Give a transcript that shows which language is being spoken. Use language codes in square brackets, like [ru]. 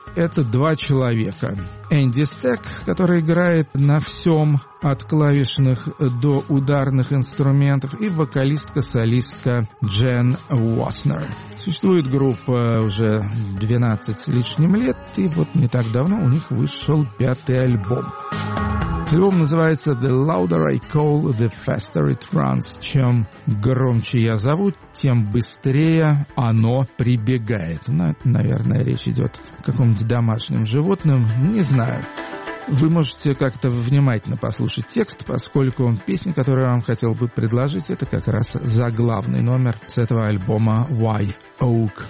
[ru] Это два человека. Энди Стэк, который играет на всем, от клавишных до ударных инструментов, и вокалистка-солистка Джен Уоснер. Существует группа уже 12 с лишним лет, и вот не так давно у них вышел пятый альбом. Альбом называется [en] «The louder I call, the faster it runs». [ru] Чем громче я зову, тем быстрее оно прибегает. Ну, наверное, речь идет о каком-нибудь домашнем животном, не знаю. Вы можете как-то внимательно послушать текст, поскольку песня, которую я вам хотел бы предложить, это как раз заглавный номер с этого альбома «White Oak».